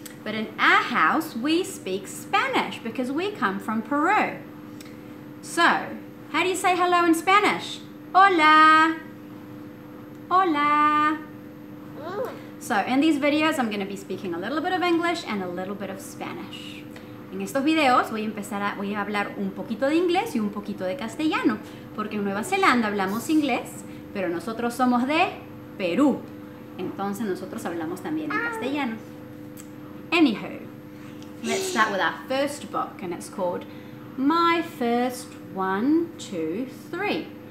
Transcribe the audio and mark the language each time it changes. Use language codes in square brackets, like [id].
[en] But in our house, we speak Spanish because we come from Peru. So, how do you say hello in Spanish? Hola. Hola. So, in these videos, I'm going to be speaking a little bit of English and a little bit of Spanish. [es] En estos videos voy a hablar un poquito de inglés y un poquito de castellano, porque en Nueva Zelanda hablamos inglés, pero nosotros somos de Perú. Entonces nosotros hablamos también en castellano. [en] Anywho, let's start with our first book, and it's called My First 1, 2, 3.